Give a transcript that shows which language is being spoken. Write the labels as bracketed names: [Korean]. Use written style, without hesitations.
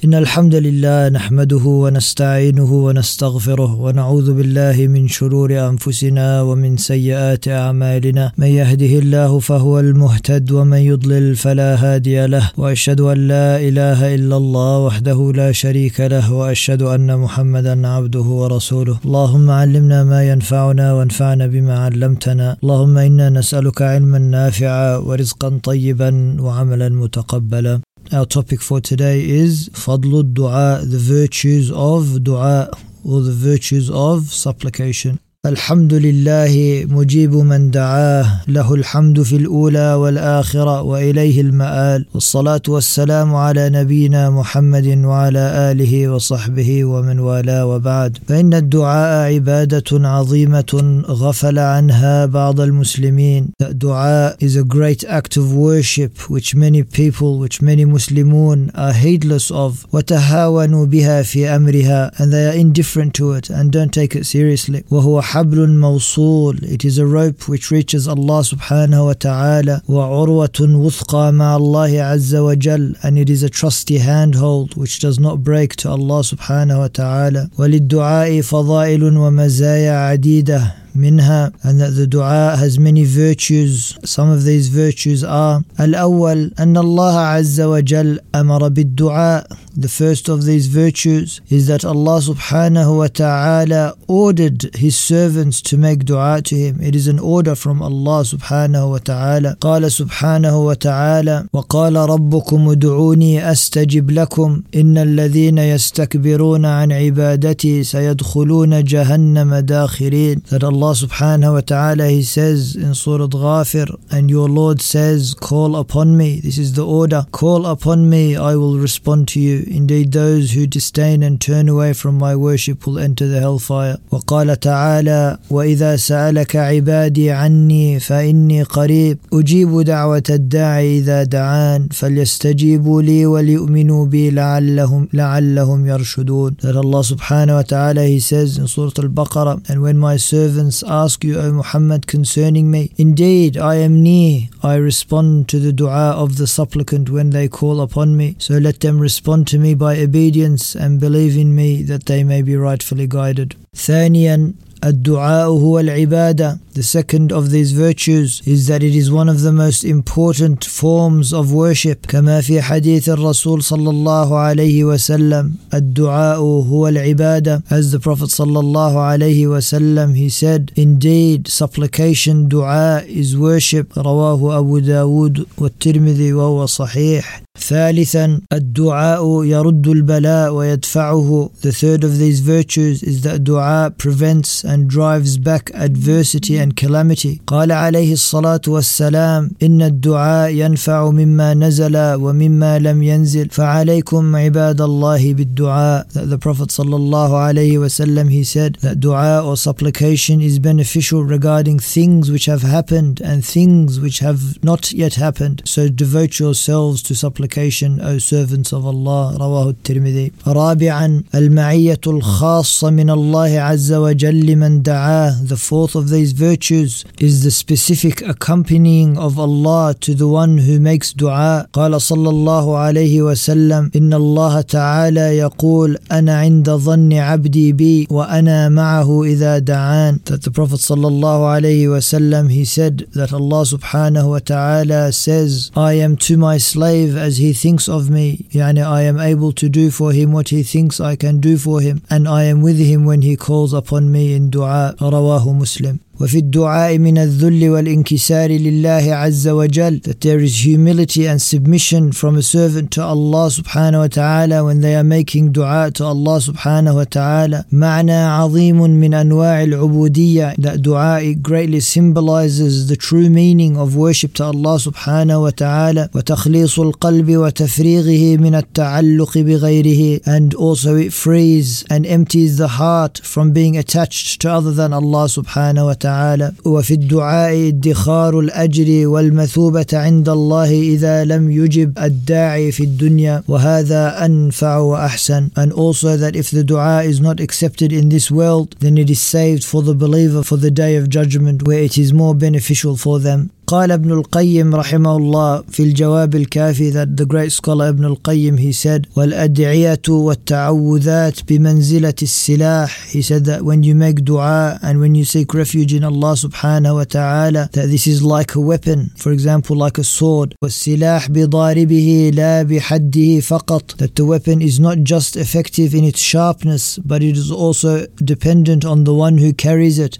[Arabic] إن الحمد لله نحمده ونستعينه ونستغفره ونعوذ بالله من شرور أنفسنا ومن سيئات أعمالنا، من يهده الله فهو المهتد ومن يضلل فلا هادي له، وأشهد أن لا إله إلا الله وحده لا شريك له، وأشهد أن محمدا عبده ورسوله. اللهم علمنا ما ينفعنا وانفعنا بما علمتنا، اللهم إنا نسألك علما نافعا ورزقا طيبا وعملا متقبلا. [English] Our topic for today is [Arabic] فضل الدعاء, [English] the virtues of دعاء, or the virtues of supplication. [Arabic] الحمد لله مجيب من دعاه، له الحمد في الأولى والآخرة وإليه المآل، والصلاة والسلام على نبينا محمد وعلى آله وصحبه ومن والاه. وبعد، فإن الدعاء عبادة عظيمة غفل عنها بعض المسلمين. [English] دعاء is a great act of worship which many people, which many مسلمون are heedless of، [Arabic] وتهاونوا بها في أمرها، [English] and they are indifferent to it and don't take it seriously. [Arabic] وهو حبل موصول، [English] it is a rope which reaches Allah سبحانه وتعالى، [Arabic] وعروة وثقى مع الله عز وجل، [English] and it is a trusty handhold which does not break to Allah سبحانه وتعالى. [Arabic] وللدعاء فضائل ومزايا عديدة منها، [English] and that the dua has many virtues. Some of these virtues are: [Arabic] الأول أن الله عز وجل أمر بالدعاء. [English] The first of these virtues is that Allah سبحانه وتعالى ordered His servants to make dua to Him. It is an order from Allah سبحانه وتعالى. [Arabic] قال سبحانه وتعالى: وقال ربكم ادعوني أستجب لكم إن الذين يستكبرون عن عبادتي سيدخلون جهنم داخرين. [English] That Allah سبحانه وتعالى, He says in Surah Ghafir, and your Lord says, call upon me. This is the order. Call upon me, I will respond to you. Indeed, those who disdain and turn away from my worship will enter the hellfire. [Arabic] وقال تعالى: وإذا سألك عبادي عني فإني قريب أجيب دعوة الداعي إذا دعان فليستجيبوا لي وليؤمنوا بي لعلهم يرشدون. [English] That Allah سبحانه وتعالى, He says in Surah Al-Baqarah, and when my servant ask you, O Muhammad, concerning me, indeed I am near, I respond to the dua of the supplicant when they call upon me, so let them respond to me by obedience and believe in me that they may be rightfully guided. [Arabic] ثانياً الدعاء هو العبادة. [English] The second of these virtues is that it is one of the most important forms of worship. [Arabic] كما في حديث الرسول صلى الله عليه وسلم الدعاء هو العبادة. [English] As the Prophet صلى الله عليه وسلم, he said, indeed supplication, دعاء, is worship. [Arabic] رواه أبو داود والترمذي وهو صحيح. ثالثا الدعاء يرد البلاء ويدفعه. [English] The third of these virtues is that دعاء prevents and drives back adversity and calamity. [Arabic] قال عليه الصلاة والسلام إن الدعاء ينفع مما نزل ومما لم ينزل فعليكم عباد الله بالدعاء. [English] That the Prophet صلى الله عليه وسلم, he said that دعاء or supplication is beneficial regarding things which have happened and things which have not yet happened. So devote yourselves to supplication, application, O servants of Allah. [Arabic] رواه الترمذي. رابعا المعية الخاصة من الله عز وجل لمن دعاه. [English] The fourth of these virtues is the specific accompanying of Allah to the one who makes dua. [Arabic] قال صلى الله عليه وسلم إن الله تعالى يقول أنا عند ظن عبدي بي وأنا معه إذا دعان. [English] That the Prophet صلى الله عليه وسلم, he said that Allah سبحانه وتعالى says, I am to my slave as he thinks of me, يعني I am able to do for him what he thinks I can do for him, and I am with him when he calls upon me in dua. [Arabic] رواه مسلم. وفي الدعاء من الذل والانكسار لله عز وجل. [English] That there is humility and submission from a servant to Allah سبحانه وتعالى when they are making دعاء to Allah سبحانه وتعالى. [Arabic] معنى عظيم من أنواع العبودية. [English] That دعاء greatly symbolizes the true meaning of worship to Allah سبحانه وتعالى. [Arabic] وتخليص القلب وتفريغه من التعلق بغيره. [English] And also it frees and empties the heart from being attached to other than Allah سبحانه وتعالى. [Arabic] تعالى. وفي الدعاء ادخار الأجر والمثوبة عند الله إذا لم يجب الداعي في الدنيا، وهذا أنفع وأحسن. [English] And also that if the dua is not accepted in this world, then it is saved for the believer for the day of judgment, where it is more beneficial for them. [Arabic] قال ابن القيم رحمه الله في الجواب الكافي, [English] that the great scholar [Arabic] ابن القيم, [English] he said, [Arabic] والأدعية والتعوذات بمنزلة السلاح. [English] He said that when you make dua and when you seek refuge in Allah سبحانه وتعالى, that this is like a weapon, for example like a sword. [Arabic] والسلاح بضاربه لا بحده فقط, [English] that the weapon is not just effective in its sharpness, but it is also dependent on the one who carries it.